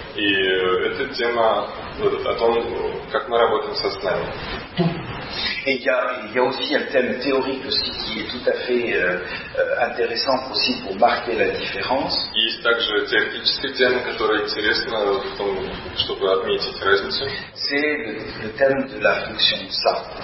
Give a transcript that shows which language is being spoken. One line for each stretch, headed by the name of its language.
Russian: И эта тема о том, как мы работаем со снами.
French: Et il y a aussi un thème théorique aussi qui est tout à fait intéressant aussi pour marquer la différence.
Russian: И есть также теоретическая тема, которая интересна, чтобы отметить разницу.
French: C'est le thème de la fonction ça.